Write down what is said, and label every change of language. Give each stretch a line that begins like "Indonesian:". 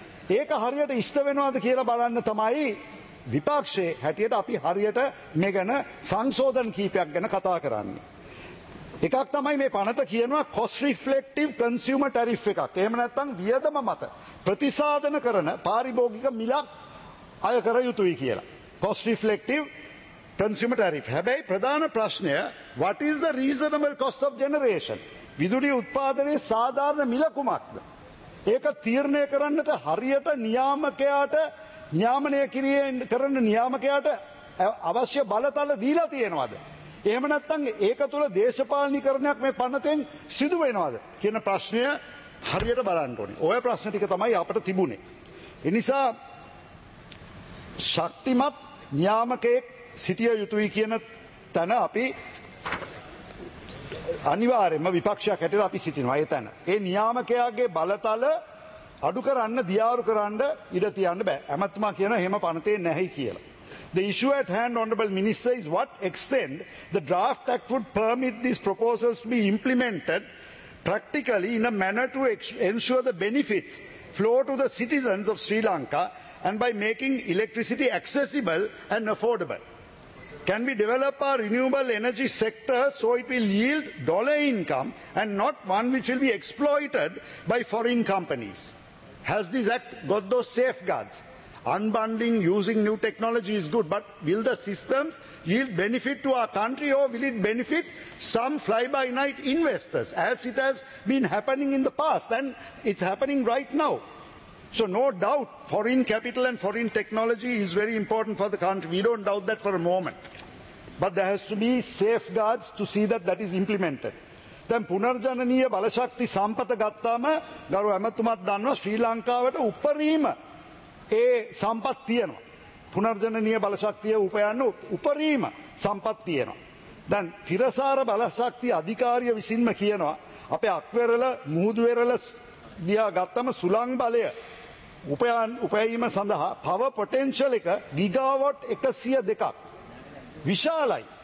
Sinhala: ඒක හරියට ඉෂ්ට වෙනවද කියලා බලන්න තමයි විපක්ෂයේ හැටියට අපි හරියට මේ ගැන සංශෝධන කීපයක් ගැන කතා කරන්නේ. එකක් තමයි මේ පනත කියනවා
English: cost reflective consumer tariff
Sinhala: එකක්. එහෙම නැත්නම් වියදම මත ප්‍රතිසාධන කරන පාරිභෝගික මිලක් අය කර යුතුයි කියලා.
English: Cost reflective consumer tariff.
Sinhala: හැබැයි ප්‍රධාන ප්‍රශ්නය
English: what is the reasonable cost of generation?
Sinhala: විදුලි උත්පාදනයේ සාධාරණ මිල කුමක්ද? ඒක තීරණය කරන්නට හරියට නියාමකයාට නියාමනය කරන නියාමකයාට අවශ්‍ය බලතල දීලා තියෙනවද? එහෙම නැත්නම් ඒක තුළ දේශපාලනීකරණයක් මේ පනතෙන් සිදු වෙනවද කියන ප්‍රශ්නය හරියට බලන්න ඕනේ. ওই ප්‍රශ්න ටික තමයි අපට තිබුණේ. ඒ නිසා ශක්තිමත් නියාමකෙක් සිටිය යුතුයි කියන තැන අපි අනිවාර්යයෙන්ම විපක්ෂයක් හැටියට අපි සිටිනවා ඒ තැන. ඒ නියාමකයාගේ බලතල අඩු කරන්න දියාරු කරන්න ඉඩ තියන්න බෑ. ඇමතුමා කියන එහෙම පනතේ නැහැයි කියලා.
English: The issue at hand, Honorable Minister, is what extent the draft act would permit these proposals to be implemented practically in a manner to ensure the benefits flow to the citizens of Sri Lanka and by making electricity accessible and affordable. Can we develop our renewable energy sector so it will yield dollar income and not one which will be exploited by foreign companies? Has this act got those safeguards? Unbundling using new technology is good, but will the systems yield benefit to our country or will it benefit some fly-by-night investors as it has been happening in the past and it's happening right now? So no doubt foreign capital and foreign technology is very important for the country. We don't doubt that for a moment. But there has to be safeguards to see that that is implemented.
Sinhala: දැන් පුනර්ජනනීය බලශක්ති සම්පත ගත්තාම ගරු ඇමතුමත් දන්නවා ශ්‍රී ලංකාවට උපරිම ඒ සම්පත් තියෙනවා. පුනර්ජනනීය බලශක්තිය උපයන්න උපරිම සම්පත් තියෙනවා. දැන් තිරසාර බලශක්ති අධිකාරිය විසින්ම කියනවා අපේ අක්වෙරළ මුහුදුවෙරළ දිහා ගත්තම සුළං බලය උපයීම සඳහා පව පොටෙන්ෂල් එක ගිගාවොට් 102ක් විශාලයි.